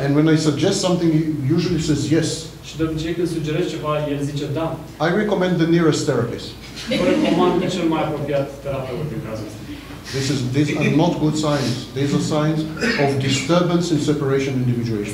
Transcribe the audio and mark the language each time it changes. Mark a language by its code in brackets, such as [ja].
[en] And when I suggest something, he usually says yes. [ro] Și de obicei când sugerez ceva, el zice da. [en] I recommend the nearest therapist. [ro] Vă recomand cel mai apropiat terapeut din cazul ăsta. [en] These are not good signs. These are signs of disturbance in separation individuation.